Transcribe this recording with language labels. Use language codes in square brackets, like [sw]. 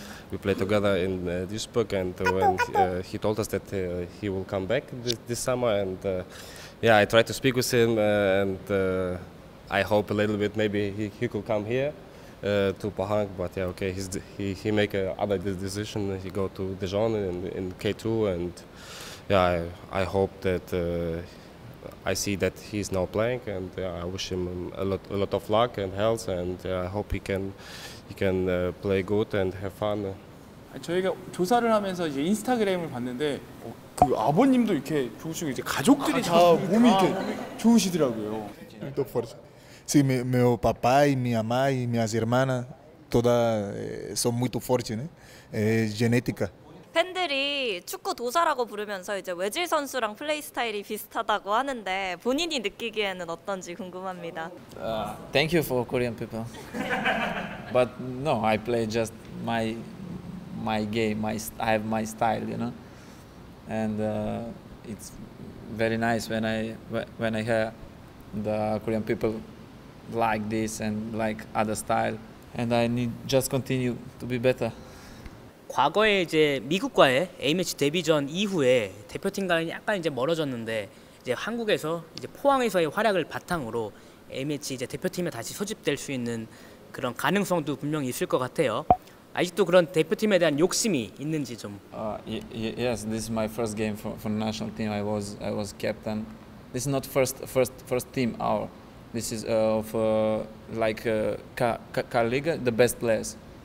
[en] We play together in Duisburg, and when he told us that he will come back this summer, and yeah, I tried to speak with him, and I hope a little bit maybe he could come here to Pahang, but yeah, okay, he make another decision. He go to Dijon in K2, and yeah, I hope that I see that he's now playing, and I wish him a lot of luck and health, and I hope he can play good and have fun. [ko] 저희가 조사를 하면서 이제 인스타그램을 봤는데 그 아버님도 이렇게 좋으시고 이제 가족들이 다 몸이 이렇게 좋으시더라고요. [pt] Muito forte. Sim, meu papai, minha mãe, minhas irmãs, toda são muito fortes, né? Genética. [ko] 팬들이 축구 도사라고 부르면서 이제 외질 선수랑 플레이 스타일이 비슷하다고 하는데 본인이 느끼기에는 어떤지 궁금합니다. [en] Thank you for Korean people. But no, I play just my game. I have my style, you know. And it's very nice when I hear the Korean people like this and like other style. And I need just continue to be better. [ko] 과거에 이제 미국과의 A매치 데뷔전 이후에 대표팀과는 약간 이제 멀어졌는데 이제 한국에서 이제 포항에서의 활약을 바탕으로 A매치 이제 대표팀에 다시 소집될 수 있는 그런 가능성도 분명히 있을 것 같아요. 아직도 그런 대표팀에 대한 욕심이 있는지 좀. [en] Yes, this is my first game for national team. I was captain. This is not first team our. This is of like Car Liga, the best players.